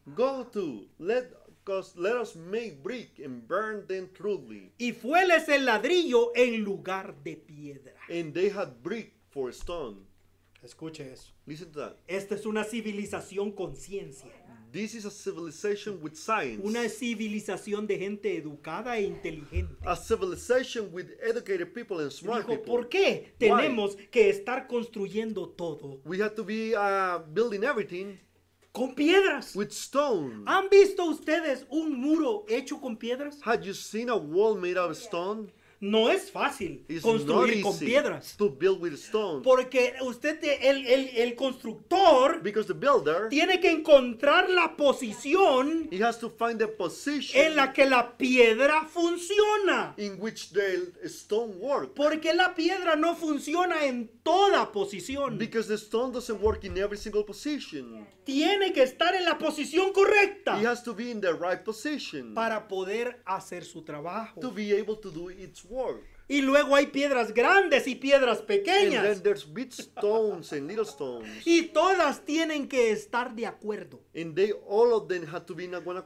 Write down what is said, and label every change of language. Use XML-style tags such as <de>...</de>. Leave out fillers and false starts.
<en>Go to, let us make brick and burn them truly.</en> <es>Y fueles el ladrillo en lugar de piedra.</es> <en>And they had brick for stone.</en> <es>Escuche eso.</es> <en>Listen to that.</en> <es>Esta es una civilización con ciencia.</es> <en>This is a civilization with science.</en> <es>Una civilización de gente educada e inteligente.</es> <en>A civilization with educated people and smart</en> <es>dijo,</es> <en>people.</en> <es>¿Por qué tenemos que estar construyendo todo?</es> <en>We have to be building everything.</en> <es>Con piedras.</es> <en>With stone.</en> <es>¿Han visto ustedes un muro hecho con piedras?</es> <en>Have you seen a wall made of stone?</en> <es>No es fácil.</es> <en>It's</en> <es>construir</es> <en>not easy</en> <es>con piedras.</es> <en>To build with stone.</en> <es>Porque usted, el constructor.</es> <en>Because the builder.</en> <es>Tiene que encontrar la posición.</es> <en>He has to find the position.</en> <es>En la que la piedra funciona.</es> <en>In which the stone works.</en> <es>Porque la piedra no funciona en toda posición.</es> <en>Because the stone doesn't work in every single position.</en> <es>Tiene que estar en la posición correcta.</es> <en>He has to be in the right position.</en> <es>Para poder hacer su trabajo.</es> <en>To be able to do its work.</en> <es>Y luego hay piedras grandes y piedras pequeñas.</es> <en>And then there's big stones and little stones.</en> <es>Y todas tienen que estar de acuerdo.</es> <en>And they all of them have to be in one accord.</en>